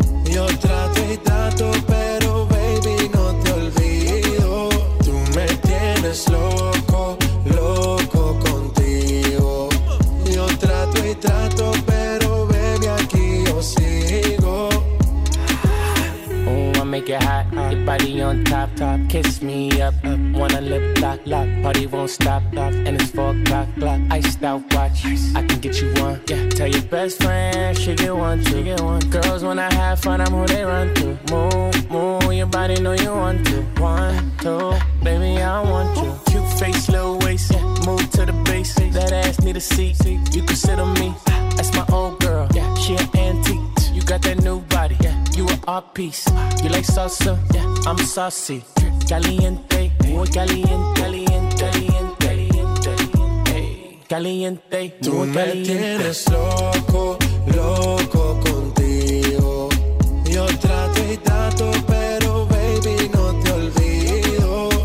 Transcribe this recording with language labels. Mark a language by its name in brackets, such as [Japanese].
[Spanish] Yo trato y trato, pero baby no te olvido. Tú me tienes loco, loco contigo. Yo trato y trato, pero baby aquí yo sigo. [English] Oh, I make it hot, your body on top, top. Kiss me up, wanna lip lock, lock. Party won't stop, stop. And it's 4 o'clock, iced out watch. I can get you one, yeah. Tell your best friend, she get one, she get one. Girls, when I have fun, I'm who they run to. Move, move, your body know you want to. One, two, baby, I want you. Cute face, little waist, yeah. Move to the bass, that ass need a seat. You can sit on me, that's my old girl. Yeah, she an antique, you got that new body. Yeah, you an art piece. You like salsa, yeah, I'm saucy. [Spanish] Caliente, muy caliente, caliente, caliente. Caliente, tú me tienes loco, loco contigo. Yo trato y trato, pero baby no te olvido.